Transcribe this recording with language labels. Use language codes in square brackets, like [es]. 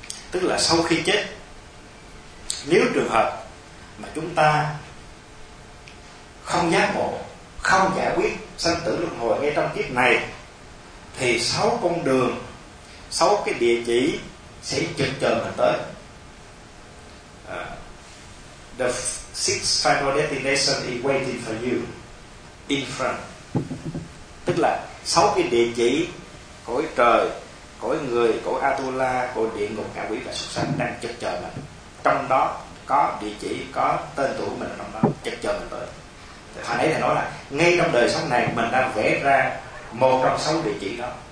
[vi] Tức là sau khi chết, nếu trường hợp mà chúng ta không giác ngộ, không giải quyết sanh tử luân hồi ngay trong kiếp này, thì sáu con đường, sáu cái địa chỉ sẽ chực chờ mình tới. [en] The six final destinations is waiting for you in front. [vi] Tức là sáu cái địa chỉ cõi trời, cõi người, cõi Atula, cõi địa ngục, ngạ quỷ và súc sanh đang chực chờ mình. Trong đó có địa chỉ, có tên tuổi mình ở trong đó chực chờ mình. nãy thầy nói là ngay trong đời sống này mình đang vẽ ra một trong sáu địa chỉ đó.